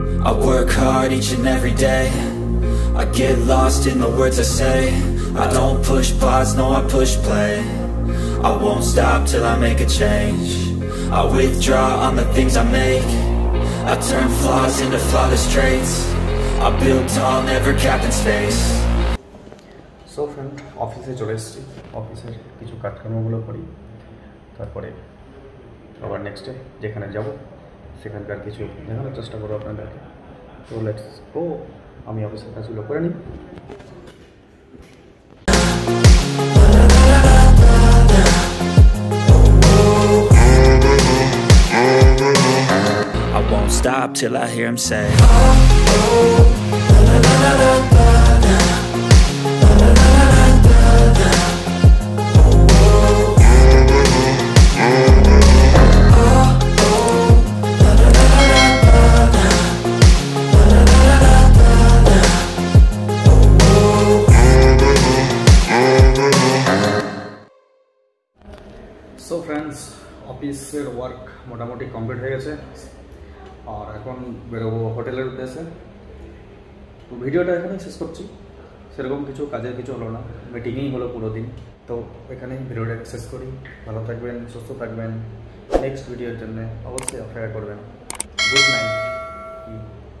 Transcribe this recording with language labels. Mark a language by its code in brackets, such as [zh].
[en] I work hard each and every day, I get lost in the words I say, I don't push pause, no, I push play, I won't stop till I make a change. I withdraw on the things I make. I turn flaws into flawless traits. I build tall, never cap in space. So friend, [bn] office চলে এসেছি, অফিসে কিছু কাজকর্মগুলো করি, তারপরে আবার next day যেখানে যাব সেখানকার কিছু দেখানোর চেষ্টা করবো আপনাদেরকে। তো [en] let's go, [bn] আমি অফিসের কাজগুলো করে নিই। [en] Stop till I hear him say, so friends, [bn] office work মোটামুটি কমপ্লিট হয়ে গেছে আর এখন বেরোবো হোটেলের উদ্দেশ্যে। তো ভিডিওটা এখানে শেষ করছি, সেরকম কিছু কাজের কিছু হলো না, মিটিংই হলো পুরো দিন। তো এখানেই ভিডিওটা শেষ করি, ভালো থাকবেন, সুস্থ থাকবেন, নেক্সট ভিডিওর জন্য অবশ্যই অপেক্ষা করবেন। Good night.